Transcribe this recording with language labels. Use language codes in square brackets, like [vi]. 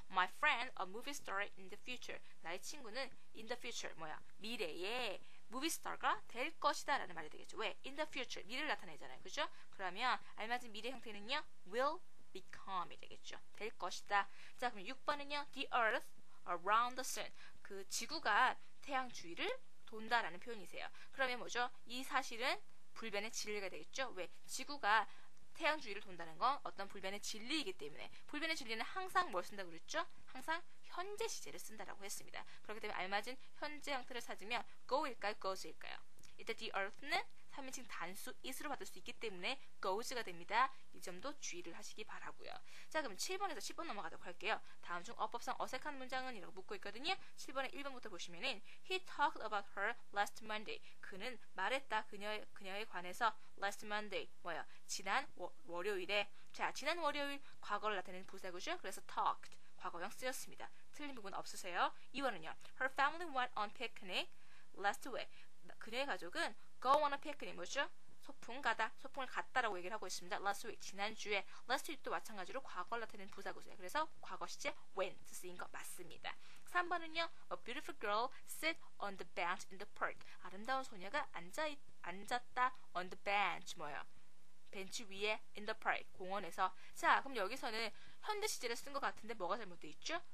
[en] My friend a movie star in the future. [ko] 나의 친구는 in the future 뭐야? 미래에 movie star가 될 것이다 라는 말이 되겠죠. 왜? in the future. 미래를 나타내잖아요. 그죠? 그러면 알맞은 미래 형태는요. will become이 되겠죠. 될 것이다. 자, 그럼 6번은요. [en] the earth around the sun. [ko] 그 지구가 태양 주위를 돈다라는 표현이세요. 그러면 뭐죠? 이 사실은 불변의 진리가 되겠죠? 왜? 지구가 태양 주위를 돈다는 건 어떤 불변의 진리이기 때문에 불변의 진리는 항상 뭘 쓴다고 그랬죠? 항상 현재 시제를 쓴다라고 했습니다. 그렇기 때문에 알맞은 현재 형태를 찾으면 go일까요? goes일까요? 이때 the earth는 3인칭 단수 is로 받을 수 있기 때문에 goes가 됩니다. 이 점도 주의를 하시기 바라고요. 자, 그럼 7번에서 10번 넘어가도록 할게요. 다음 중 어법상 어색한 문장은 이라고 묻고 있거든요. 7번에 1번부터 보시면은 [en] He talked about her last Monday. [ko] 그는 말했다. 그녀에 관해서 last Monday. 뭐예요? 지난 월요일에. 자, 지난 월요일 과거를 나타내는 부사구죠. 그래서 talked. 과거형 쓰였습니다. 틀린 부분 없으세요. 2번은요. [en] Her family went on picnic last week. [ko] 그녀의 가족은 [en] go on a picnic 뭐죠? [ko] 소풍 가다, 소풍을 갔다라고 얘기를 하고 있습니다. last week, 지난주에 last week도 마찬가지로 과거를 나타내는 부사구세요. 그래서 과거 시제 went 쓰인 거 맞습니다. [en] 3번은요 a beautiful girl sit on the bench in the park. [ko] 아름다운 소녀가 앉았다 on the bench 뭐예요? 벤치 위에 in the park, 공원에서. 자, 그럼 여기서는 현재 시제를 쓴 것 같은데 뭐가 잘못되어 있죠?